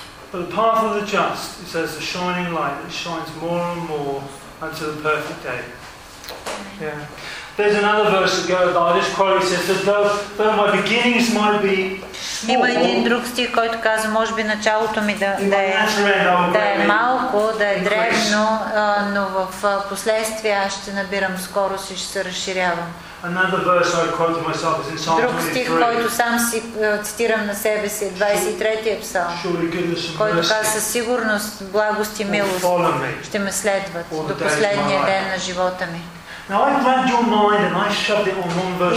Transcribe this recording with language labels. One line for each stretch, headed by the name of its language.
English: But the path of the just, it says the shining light that shines more and more until the perfect day. Yeah. There's another verse that goes by, I just quote it, says that though my beginnings might be small,
Bulgarian: има един друг стих, който казва, може би началото ми да е малко, да е дребно, но в последствие аз ще набирам скорост и ще се разширявам.
English: Another verse I quote to myself is in Psalm 23.
Bulgarian: Друг стих, който сам си цитирам на себе си, 23-я псалм, който казва, със сигурност, благост и милост ще ме следват до последния ден на живота ми.
English: Now I grabbed your mind and I shoved it on one verse.